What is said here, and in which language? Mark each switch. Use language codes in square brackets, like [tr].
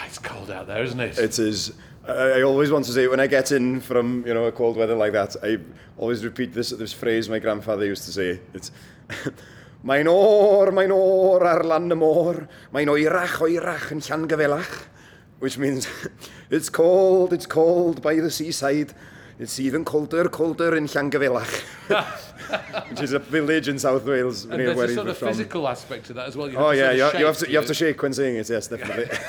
[en] Isn't it? It is. I always want to say, when I get in from, you know, a cold weather like that, I always repeat this phrase my grandfather used to say. [cy] It's, Mae'n or, mae'n or ar lan y môr, mae'n oerach, oerach yn Llangyfelach. [en] Which means, it's cold by the seaside, it's even colder, colder in Llangyfelach. Which is a village in South Wales. And there's where a sort of physical aspect to that as well. You have to shake when saying it, yes, definitely.